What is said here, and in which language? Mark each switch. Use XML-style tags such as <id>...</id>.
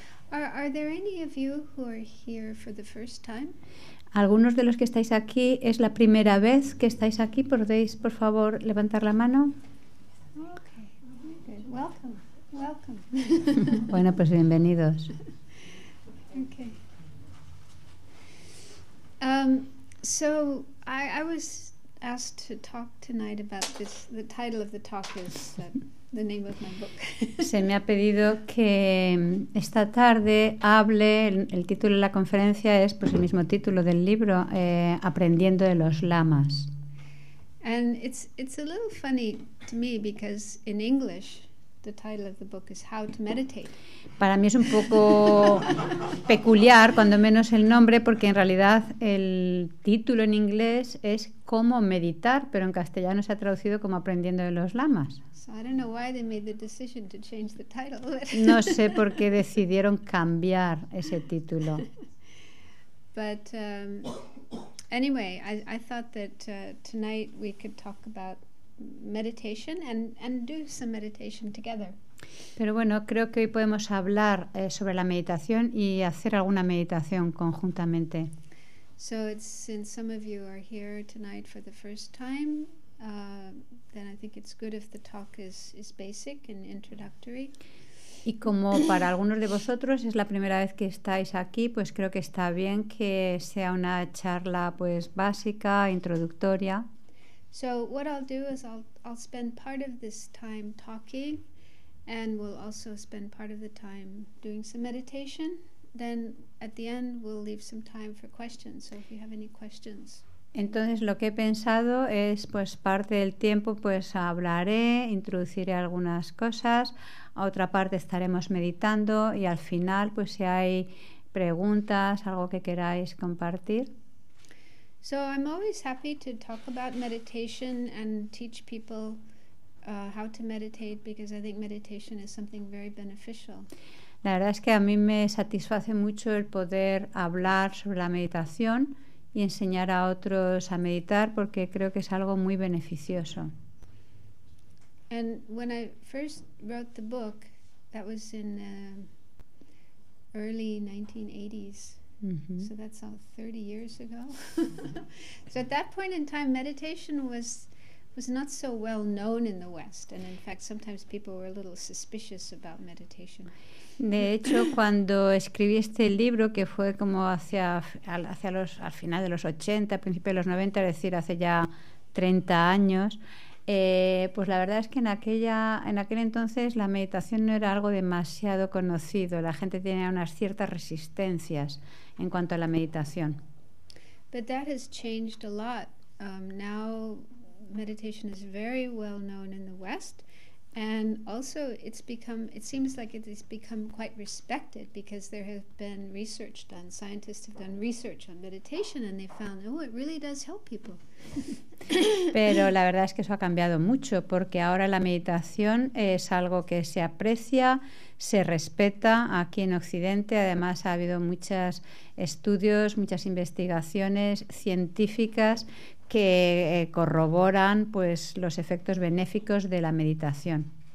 <en>Are there any of you who are here for the first time?</en> <es>¿Algunos de los que estáis aquí es la primera vez que estáis aquí? ¿Podéis, por favor, levantar la mano?</es> <en>Okay. Good. Welcome. Welcome.</en> <es>Bueno, pues bienvenidos. Okay.</es> <en>So I was asked to talk tonight about this. The title of the talk is the name of my book.</en> <es>Se me ha pedido que esta tarde hable, el título de la conferencia es pues el mismo título del libro, Aprendiendo de los Lamas.</es> <en>And it's a little funny to me because in English the title of the book is How to Meditate.</en> <es>Para mí es un poco peculiar, cuando menos el nombre, porque en realidad el título en inglés es Cómo meditar, pero en castellano se ha traducido como Aprendiendo de los Lamas.</es> <en>I don't know why they made the decision to change the title.</en> <es>No sé por qué decidieron cambiar ese título.</es> <en>But anyway, I thought that tonight we could talk about meditation and do some meditation together.</en> <es>Pero bueno, creo que hoy podemos hablar sobre la meditación y hacer alguna meditación conjuntamente.</es> <en>So it's, since some of you are here tonight for the first time, then I think it's good if the talk is basic and introductory.</en> <es>Y como para algunos de vosotros es la primera vez que estáis aquí, pues creo que está bien que sea una charla pues básica, introductoria.</es> <en>So what I'll do is I'll spend part of this time talking, and we'll also spend part of the time doing some meditation. Then at the end we'll leave some time for questions. So if you have any questions.</en> <es>Entonces lo que he pensado es pues parte del tiempo pues hablaré, introduciré algunas cosas, otra parte estaremos meditando y al final pues si hay preguntas, algo que queráis compartir.</es> <en>So I'm always happy to talk about meditation and teach people how to meditate because I think meditation is something very beneficial.</en> <es>La verdad es que a mí me satisface mucho el poder hablar sobre la meditación y enseñar a otros a meditar porque creo que es algo muy beneficioso.</es> <en>And when I first wrote the book, that was in early 1980s. Mm-hmm. So that's all 30 years ago. So at that point in time, meditation was not so well known in the West, and in fact sometimes people were a little suspicious about meditation.</en> <es>De hecho, cuando escribí este libro, que fue como al final de los 80, principio de los 90, es decir, hace ya 30 años, pues la verdad es que en aquel entonces la meditación no era algo demasiado conocido. La gente tenía unas ciertas resistencias en cuanto a la meditación.</es> <en>But that has changed a lot. Now meditation is very well known in the West, and also it's become, it seems like it has become quite respected because there have been research done, scientists have done research on meditation and they found, oh, it really does help people.</en> <es>Pero la verdad es que eso ha cambiado mucho porque ahora la meditación es algo que se aprecia, se respeta aquí en Occidente. Además ha habido muchos estudios, muchas investigaciones científicas que corroboran pues los efectos benéficos de la meditación.</es>